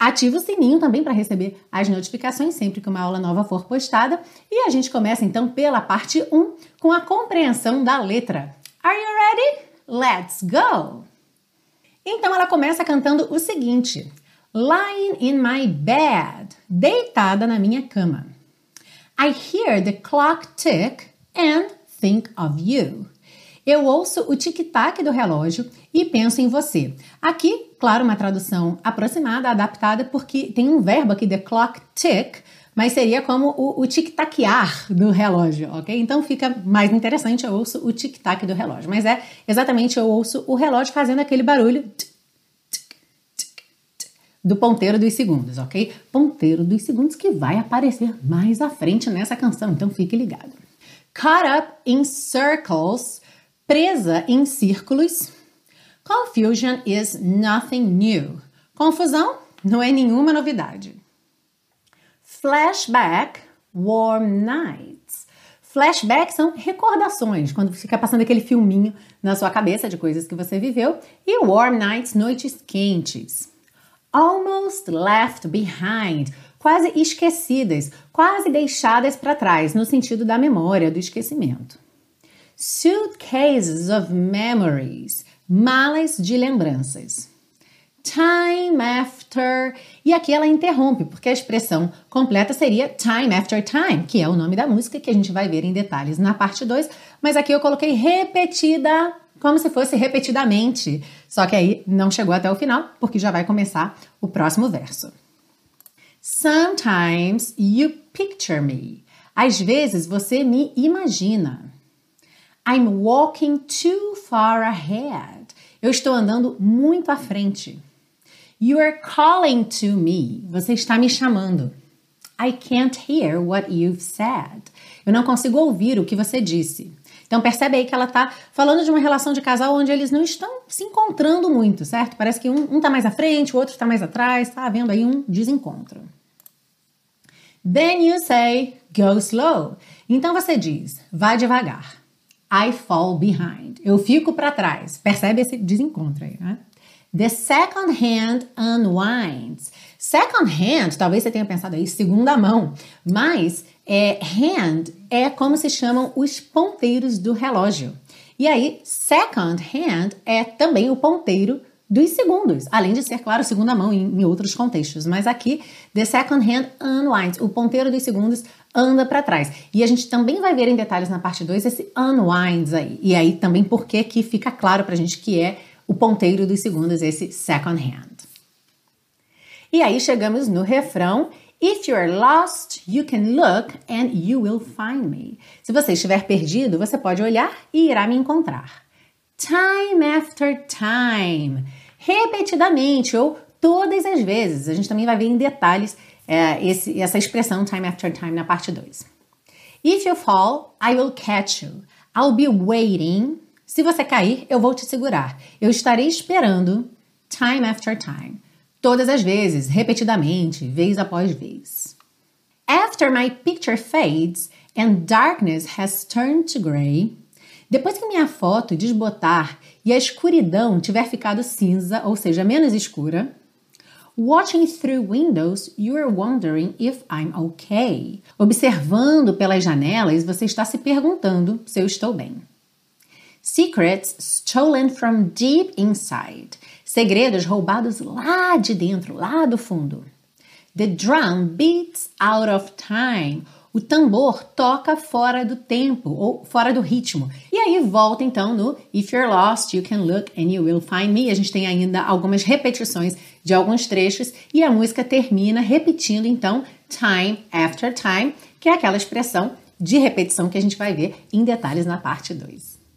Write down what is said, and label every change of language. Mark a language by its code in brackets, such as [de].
[pt] Ativa o sininho também para receber as notificações sempre que uma aula nova for postada. E a gente começa, então, pela parte 1, com a compreensão da letra. [en] Are you ready? Let's go! [pt] Então, ela começa cantando o seguinte. [en] Lying in my bed. [pt] Deitada na minha cama. [en] I hear the clock tick and think of you. [pt] Eu ouço o tic-tac do relógio e penso em você. Aqui, claro, uma tradução aproximada, adaptada, porque tem um verbo aqui, [en] the clock tick, [pt] mas seria como o tic-taquear do relógio, ok? Então fica mais interessante, eu ouço o tic-tac do relógio. Mas é exatamente, eu ouço o relógio fazendo aquele barulho do ponteiro dos segundos, ok? Ponteiro dos segundos que vai aparecer mais à frente nessa canção, então fique ligado. [en] Caught up in circles, [pt] presa em círculos. [en] Confusion is nothing new. [pt] Confusão não é nenhuma novidade. [en] Flashback, warm nights. [pt] Flashback são recordações, quando fica passando aquele filminho na sua cabeça de coisas que você viveu. E [en] warm nights, [pt] noites quentes. [en] Almost left behind, [pt] quase esquecidas, quase deixadas para trás, no sentido da memória, do esquecimento. [en] Suitcases of memories, [pt] malas de lembranças. [en] Time after, [pt] e aqui ela interrompe, porque a expressão completa seria time after time, que é o nome da música que a gente vai ver em detalhes na parte 2, mas aqui eu coloquei repetida, como se fosse repetidamente, só que aí não chegou até o final, porque já vai começar o próximo verso. [en] Sometimes you picture me. [pt] Às vezes você me imagina. [en] I'm walking too far ahead. [pt] Eu estou andando muito à frente. [en] You are calling to me. [pt] Você está me chamando. [en] I can't hear what you've said. [pt] Eu não consigo ouvir o que você disse. Então percebe aí que ela tá falando de uma relação de casal onde eles não estão se encontrando muito, certo? Parece que um tá mais à frente, o outro tá mais atrás, tá havendo aí um desencontro. [en] Then you say, go slow. [pt] Então você diz, vá devagar. [en] I fall behind. [pt] Eu fico para trás. Percebe esse desencontro aí, né? [en] The second hand unwinds. [pt] Second hand, talvez você tenha pensado aí, segunda mão. Mas é, hand é como se chamam os ponteiros do relógio. E aí, second hand é também o ponteiro dos segundos. Além de ser, claro, segunda mão em outros contextos. Mas aqui, [en] the second hand unwinds. [pt] O ponteiro dos segundos anda para trás. E a gente também vai ver em detalhes na parte 2 esse unwinds aí. E aí também porque que fica claro pra gente que é o ponteiro dos segundos, esse second hand. E aí chegamos no refrão. [en] If you're lost, you can look and you will find me. [pt] Se você estiver perdido, você pode olhar e irá me encontrar. [en] Time after time. [pt] Repetidamente ou todas as vezes. A gente também vai ver em detalhes essa expressão time after time na parte 2. [en] If you fall, I will catch you. I'll be waiting. [pt] Se você cair, eu vou te segurar. Eu estarei esperando [en] time after time. [pt] Todas as vezes, repetidamente, vez após vez. [en] After my picture fades and darkness has turned to gray. [pt] Depois que minha foto desbotar e a escuridão tiver ficado cinza, ou seja, menos escura. [en] Watching through windows, you're wondering if I'm okay. [pt] Observando pelas janelas, você está se perguntando se eu estou bem. [en] Secrets stolen from deep inside. [pt] Segredos roubados lá de dentro, lá do fundo. [en] The drum beats out of time. [pt] O tambor toca fora do tempo ou fora do ritmo. E aí volta então no [en] If you're lost, you can look and you will find me. [pt] A gente tem ainda algumas repetições de alguns trechos e a música termina repetindo então time after time, que é aquela expressão de repetição que a gente vai ver em detalhes na parte 2.